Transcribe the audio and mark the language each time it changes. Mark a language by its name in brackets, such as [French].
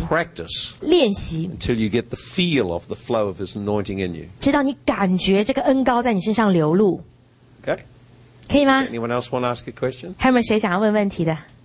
[English] And just practice [Chinese] 练习 [English] Until you get the feel of the flow of his anointing in you [Chinese] 直到你感觉这个恩膏在你身上流露 [English] Okay [Chinese] 可以吗 [English] Anyone else want to ask a question? [Chinese] 还有没有谁想要问问题的